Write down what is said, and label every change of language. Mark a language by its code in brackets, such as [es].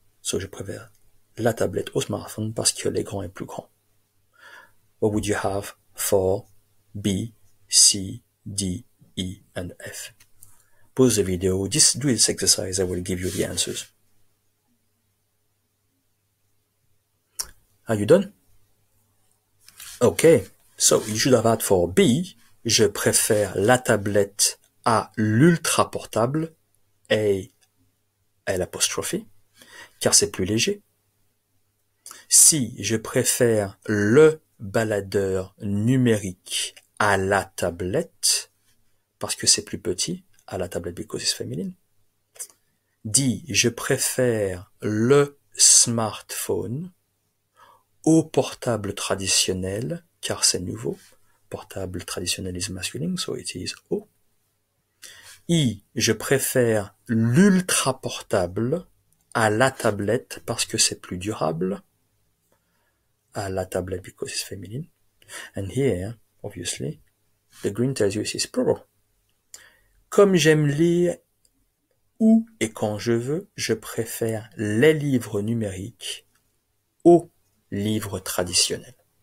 [fr] So je préfère la tablette au smartphone parce que les grands et plus grands. [en] What would you have for B, C, D, E, and F? Pause the video, just do this exercise, I will give you the answers. Are you done? Okay, so you should have had for B, [fr] je préfère la tablette à l'ultra portable, A, L apostrophe, car c'est plus léger. C, je préfère le baladeur numérique à la tablette, parce que c'est plus petit, à la tablette [en] because it's feminine. [fr] D, je préfère le smartphone au portable traditionnel, car c'est nouveau. Portable traditionnel [en] is masculine, so it is O. [fr] I, je préfère l'ultra portable à la tablette parce que c'est plus durable. À la tablette [en] because it's feminine. And here, obviously, the green tells you it's plural. [fr] Comme j'aime lire où et quand je veux, je préfère les livres numériques aux livres traditionnels.